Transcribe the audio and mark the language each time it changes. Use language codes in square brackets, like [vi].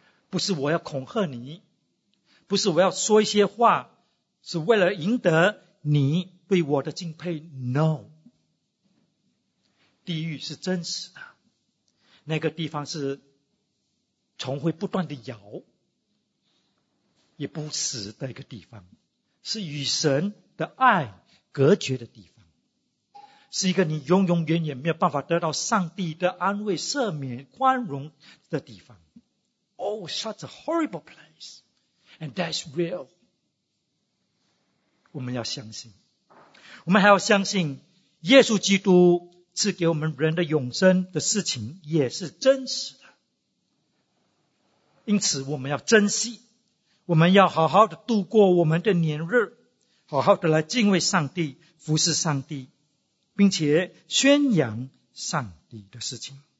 [zh] 不是我要恐吓你，不是我要说一些话是为了赢得你对我的敬佩， [en] No， [zh] 地狱是真实的，那个地方是虫会不断的咬也不死的一个地方，是与神的爱隔绝的地方，是一个你永永远远没有办法得到上帝的安慰赦免宽容的地方。 [en] Oh, such a horrible place. And that's real. [zh] 我们要相信，我们还要相信耶稣基督赐给我们人的永生的事情也是真实的，因此我们要珍惜，我们要好好的度过我们的年日，好好的来敬畏上帝，服侍上帝，并且宣扬上帝的事情。